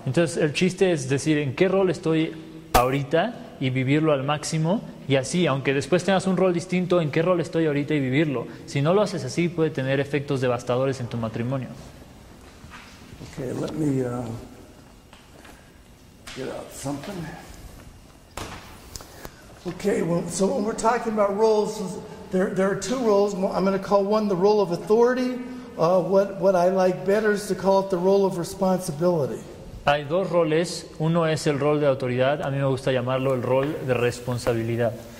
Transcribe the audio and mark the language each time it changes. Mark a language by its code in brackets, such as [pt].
[es] Entonces el chiste es decir en qué rol estoy ahorita y vivirlo al máximo, y así aunque después tengas un rol distinto, en qué rol estoy ahorita y vivirlo. Si no lo haces así, puede tener efectos devastadores en tu matrimonio. [en] Okay, let me get out something. Okay, so when we're talking about roles, there are two roles. I'm going to call one the role of authority. What I like better is to call it the role of responsibility. [es] Hay dos roles. Uno es el rol de autoridad. A mí me gusta llamarlo el rol de responsabilidad.